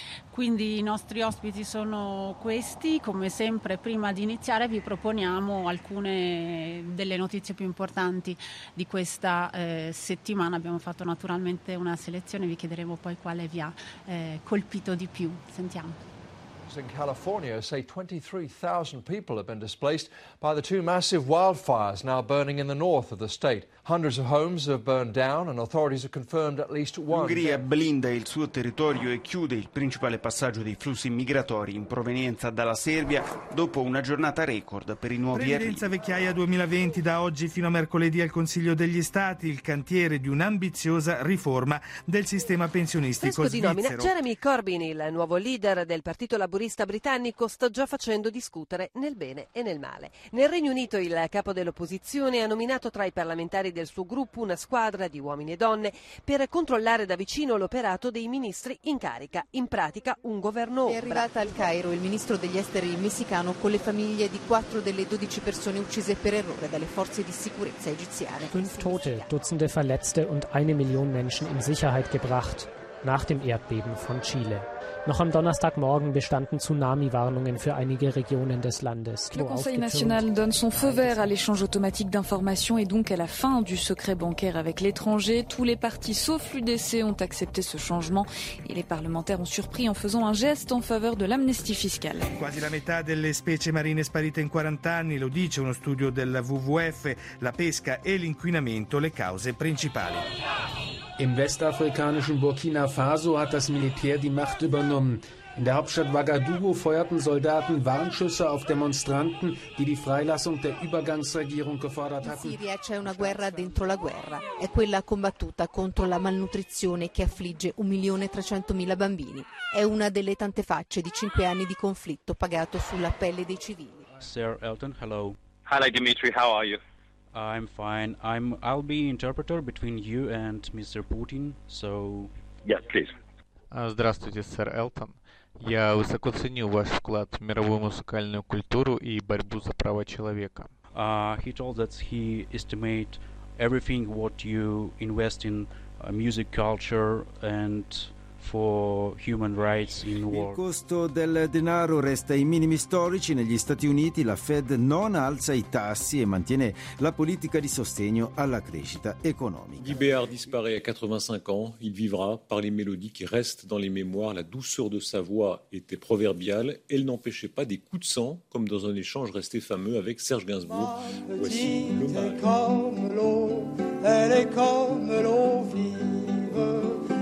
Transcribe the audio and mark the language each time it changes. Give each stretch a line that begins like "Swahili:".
Italian: Quindi i nostri ospiti sono questi. Come sempre, prima di iniziare vi proponiamo alcune delle notizie più importanti di questa settimana. Abbiamo fatto naturalmente una selezione, vi chiederemo poi quale vi ha colpito di più. Sentiamo.
English: In California say 23,000 people have been displaced by the two massive wildfires now burning in the north of the state. Hundreds of homes have burned down and authorities have confirmed at least one.
Italian: L'Ungheria blinda il suo territorio e chiude il principale passaggio dei flussi migratori in provenienza dalla Serbia dopo una giornata record per i nuovi arrivi. Previdenza vecchiaia 2020 da oggi fino a mercoledì al Consiglio degli Stati, il cantiere di un'ambiziosa riforma del sistema pensionistico svizzero. Fresco di nomina, Jeremy Corbyn, il nuovo leader del partito laburista britannico, sta già facendo discutere nel bene e nel male. Nel Regno Unito il capo dell'opposizione ha nominato tra i parlamentari del suo gruppo una squadra di uomini e donne per controllare da vicino l'operato dei ministri in carica, in pratica un governo ombra. È arrivata al Cairo il ministro degli esteri messicano con le famiglie di 4 delle 12 persone uccise per errore dalle forze di sicurezza egiziane.
German: 5 tote, dutzende verletzte und eine Million Menschen in Sicherheit gebracht nach dem Erdbeben von Chile. Noch am Donnerstagmorgen bestanden Tsunami-Warnungen für einige Regionen des Landes.
French: Le Conseil national donne son feu vert à l'échange automatique d'informations et donc à la fin du secret bancaire avec l'étranger. Tous les partis sauf l'UDC ont accepté ce changement et les parlementaires ont surpris en faisant un geste en faveur de l'amnistie fiscale.
Italian: Quasi la metà delle specie marine sparite in 40 anni, lo dice uno studio della WWF, la pesca e l'inquinamento le cause principali.
German: Im westafrikanischen Burkina Faso hat das Militär die Macht übernommen. In der Hauptstadt Ouagadougou feuerten Soldaten Warnschüsse auf Demonstranten, die die Freilassung der Übergangsregierung gefordert hatten.
Italian: In Siria c'è una guerra dentro la guerra. È quella combattuta contro la malnutrizione che affligge 1.300.000 bambini. È una delle tante facce di 5 anni di conflitto pagato sulla pelle dei civili.
English: Sir Elton, hello. Hi Dimitri, how are you? I'm fine. I'll be interpreter between you and Mr. Putin, so... Yes, please.
Russian: Здравствуйте, сэр Элтон. Я высоко ценю ваш вклад в мировую музыкальную культуру и борьбу за права человека.
English: He told that he estimates everything what you invest in music culture and... For human rights in war.
Italian: Il costo del denaro resta ai minimi storici. Negli Stati Uniti la Fed non alza i tassi e mantiene la politica di sostegno alla crescita economica.
French: Guy Béard disparaît à 85 ans. Il vivrà par les mélodies qui restent dans les mémoires. La douceur de sa voix était proverbiale. Elle n'empêchait pas des coups de sang, comme dans un échange resté fameux avec Serge Gainsbourg. Voici l'hommage. Elle est comme l'eau, elle est comme l'eau vive.